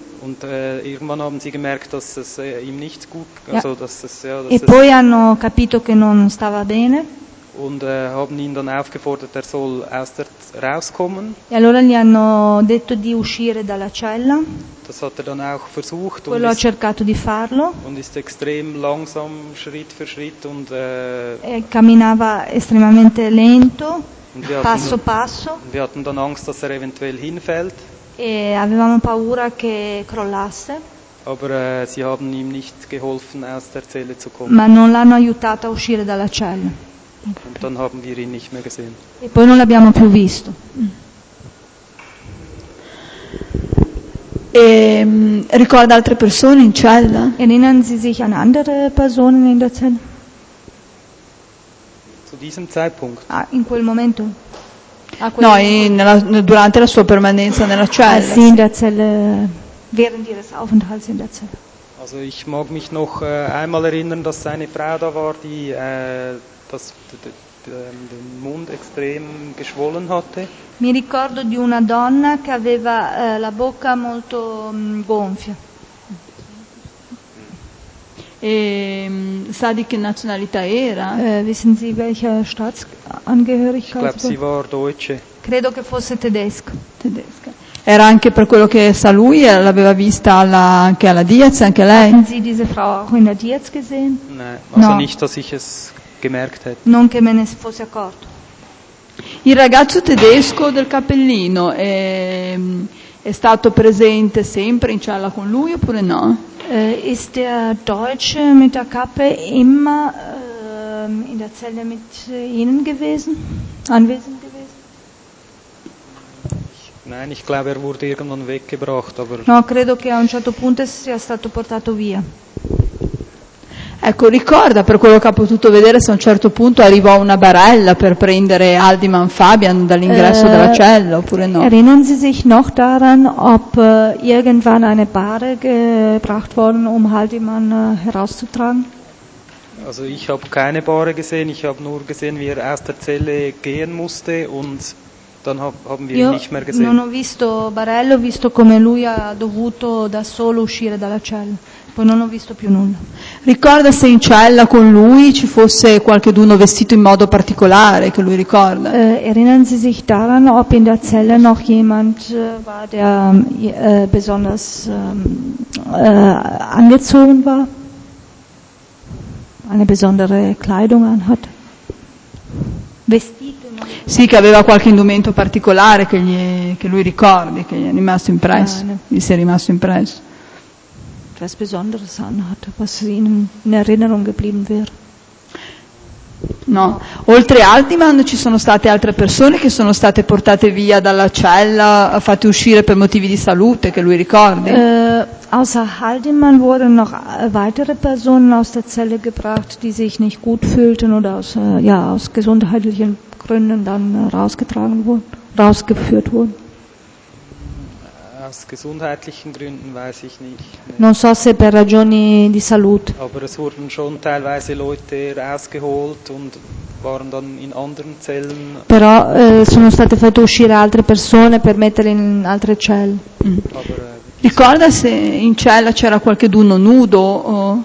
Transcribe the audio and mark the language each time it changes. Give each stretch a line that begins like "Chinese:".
German: Und irgendwann haben sie gemerkt, dass es ihm nicht gut, also dass es ja.
Italian: E poi hanno capito che non stava bene.
German: Und haben ihn dann aufgefordert, er soll rauskommen.
Italian: E allora gli hanno detto di uscire dalla cella.
German: Das hat er dann auch versucht.
Italian: Quello ha cercato di farlo.
German: Und ist extrem langsam, Schritt für Schritt. Und,
Italian: e camminava estremamente lento, passo passo.
German: Wir hatten dann Angst, dass er eventuell hinfällt.
Italian: E avevamo paura che crollasse.
German: Aber sie haben ihm nicht geholfen, aus der Zelle zu kommen.
Italian: Ma non l'hanno aiutato a uscire dalla cella.
German: Und dann haben wir ihn nicht mehr gesehen.
Italian: E poi non l'abbiamo più visto. E ricorda altre persone in cella?
German: Erinnern Sie sich an andere Personen in der Zelle? Zu diesem Zeitpunkt?
Italian: Ah, in quel momento? No, durante la sua permanenza nella cella.
German: Sì, in der Zelle, während ihres Aufenthalts in der Zelle. Also ich mag mich noch einmal erinnern, dass seine Frau da war, die das, den Mund extrem geschwollen hatte.
Italian: Mi ricordo di una donna che aveva la bocca molto gonfia. E sa di che nazionalità era?
German: Wissen Sie, welcher Staatsangehörigkeit? Ich glaube, sie war deutsche.
Italian: Credo che fosse tedesca. Tedesca. Era anche per quello che sa lui, l'aveva vista anche alla Diaz, anche lei.
German: Hatten Sie diese Frau auch in der Diaz gesehen? Nein, also no. Nicht, dass ich es gemerkt hätte.
Italian: Non che me ne fosse accorto. Il ragazzo tedesco del cappellino è stato presente sempre in cella con lui oppure no?
German: Ist der Deutsche mit der Kappe immer in der Zelle mit Ihnen gewesen, anwesend gewesen? Nein, ich glaube, er wurde irgendwann weggebracht, aber.
Italian: No, credo che a un certo punto sia stato portato via. Ecco, ricorda per quello che ha potuto vedere se a un certo punto arrivò una barella per prendere Aldiman Fabian dall'ingresso della cella oppure no?
German: Erinnern Sie sich noch daran, ob irgendwann eine Barre gebracht worden, um Aldiman herauszutragen? Also ich habe keine Barre gesehen, ich habe nur gesehen, wie er aus der Zelle gehen musste und dann haben wir
Italian: Io
German: ihn nicht mehr gesehen.
Italian: Non ho visto barella, ho visto come lui ha dovuto da solo uscire dalla cella. Poi non ho visto più nulla. Ricorda se in cella con lui ci fosse qualcheduno vestito in modo particolare che lui ricorda?
German: Erinnern Sie sich daran, ob in der Zelle noch jemand war, der besonders angezogen war? Eine besondere Kleidung anhat?
Italian: Vestito? Sì, che aveva qualche indumento particolare che lui ricordi, che gli è rimasto impresso. Gli si è rimasto impresso.
German: Etwas Besonderes anhatte, was Ihnen in Erinnerung geblieben wäre.
Italian: No. Oltre Aldiman ci sono state altre persone che sono state portate via dalla cella, fatte uscire per motivi di salute, che lui ricordi?
German: Außer Aldiman wurden noch weitere Personen aus der Zelle gebracht, die sich nicht gut fühlten oder aus gesundheitlichen Gründen dann rausgeführt wurden. Aus gesundheitlichen Gründen weiß ich nicht.
Italian: Non so se per ragioni di salute.
German: Aber es wurden schon teilweise Leute rausgeholt und waren dann in anderen Zellen.
Italian: Però sono state fatte uscire altre persone per metterle in altre celle. Ricorda se in cella c'era qualcheduno nudo o?